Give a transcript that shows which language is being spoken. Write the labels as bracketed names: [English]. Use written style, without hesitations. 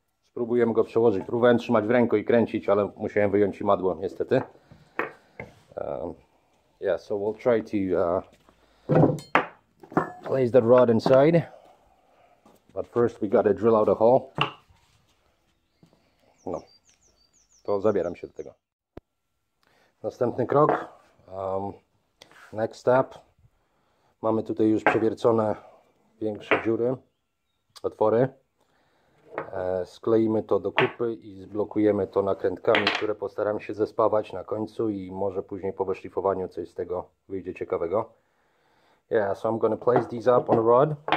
[Polish] Spróbujemy go przełożyć. Próbowałem trzymać w ręku i kręcić, ale musiałem wyjąć imadło, niestety. [English] Yeah, so we'll try to place that rod inside. But first we gotta drill out a hole. [Polish] No, to zabieram się do tego. Następny krok. [English] Next step. [Polish] Mamy tutaj już przewiercone większe dziury, otwory. Skleimy to do kupy i zblokujemy to nakrętkami, które postaram się zespawać na końcu i może później po wyszlifowaniu coś z tego wyjdzie ciekawego. [English] Yeah, so I'm gonna place these up on a rod.